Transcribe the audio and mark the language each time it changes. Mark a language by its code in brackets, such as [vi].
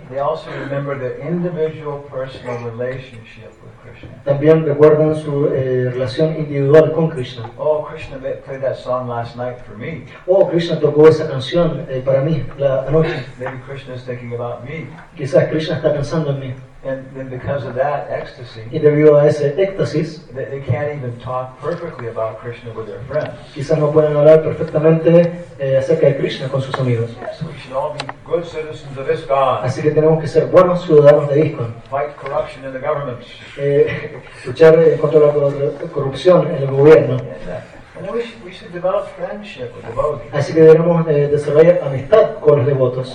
[en] they also remember their individual personal relationship with Krishna. [es] También recuerdan su relación individual con Krishna. [en] Oh, Krishna played that song last night for me. [es] Oh, Krishna tocó esa canción para mí la noche. [en] Maybe Krishna is thinking about me. [es] Quizás Krishna está pensando en mí. [en] And then because of that ecstasy, [es] y debido a ese éxtasis, [en] they can't even talk perfectly about Krishna with their friends. [es] Quizás no pueden hablar perfectamente acerca de Krishna con sus amigos. [en] Yes, we should all be good citizens of ISKCON. [es] Así que tenemos que ser buenos ciudadanos de ISKCON. [en] Fight corruption in the government. [es] Luchar contra la corrupción en el gobierno. [en] And we should develop friendship with devotees. [es] Así que debemos desarrollar amistad con los devotos.